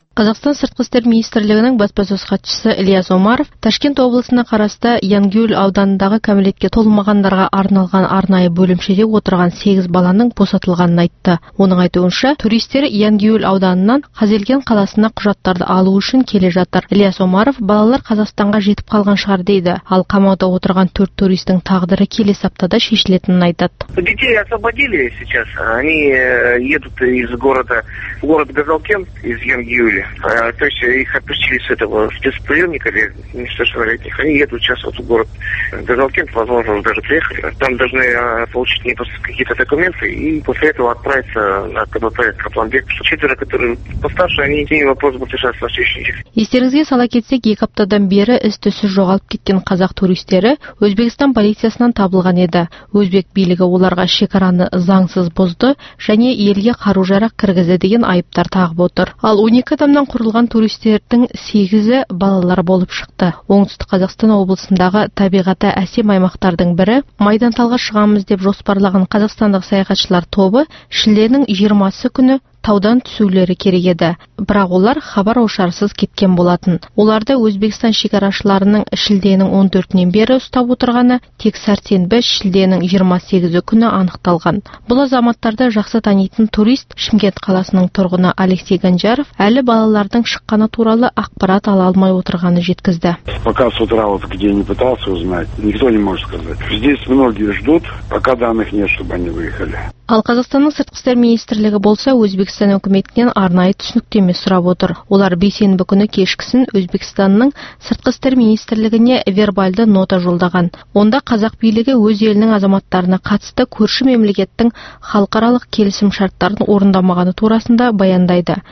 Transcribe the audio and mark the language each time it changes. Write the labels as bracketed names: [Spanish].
[Kazakh] Қазақстан сыртқы істер министрлігінің баспасөз хатшысы Ілияс Омаров Ташкент облысына қарасты Янгюл ауданындағы кәмелетке толмағандарға арналған арнайы бөлімшеде отырған 8 баланың босатылғанын айтты. Оның айтуынша, туристер Янгюл ауданынан Қазелген қаласына құжаттарды алу үшін келе жатыр. Ілияс Омаров балалар Қазақстанға жетіп қалған шығар дейді. Ал қамауда отырған 4 туристтің тағдыры келесі аптада шешілетінін айтады. [Russian] Детей освободили сейчас. Они едут из города, в город Газалкен, из Янгюль. То есть их отпустили с этого спецприемника или несовершеннолетних. Они едут сейчас вот в город Газалкент, возможно, даже приехали. Там должны получить какие-то документы и после этого отправиться на КБП Капланбек. Четверо, которые постарше, они не имеют вопрос, будут решать на следующий день. [Kazakh] Естеріңізге сала кетсек, екі аптадан бері із-түзсіз жоғалып кеткен қазақ туристері Өзбекстан полициясынан табылған еді. Өзбек билігі оларға шекараны заңсыз бұзды және елге қару-жарақ кіргізді деген айыптар тағып отыр. Ал 12 адамнан құрылған туристердің 8-і балалар болып шықты. Оңтүстік Қазақстан облысындағы табиғаты әсем аймақтардың бірі Майданталға шығамыз деп жоспарлаған қазақстандық саяхатшылар тобы шілденің 20-сы күні таудан түсулері керек еді, бірақ олар хабар ошарсыз кеткен болатын. Оларды Өзбекстан шекарашыларының шілденің 14-нен бері ұстап отырғаны тек сәрсенбі шілденің 28-і күні анықталған. Бұл азаматтарды жақсы танитын турист Шымкент қаласының тұрғыны Алексей Ганжаров әлі балалардың шыққаны туралы ақпарат ала алмай отырғаны жеткізді. [Russian] Пока с утра вот где не пытался узнать, никто не может сказать. Здесь многие ждут, пока данных нет, чтобы они выехали. [Kazakh] Ал Қазақстанның сыртқы істер министрлігі болса, Өзбекстан үкіметінен арнайы түсініктеме сұрап отыр. Олар бейсенбі күні кешкісін Өзбекстанның сыртқы істер министрлігіне вербальды нота жолдаған. Онда қазақ билігі өз елінің азаматтарына қатысты көрші мемлекеттің халықаралық келісім шарттарын орындамағаны турасында баяндайды.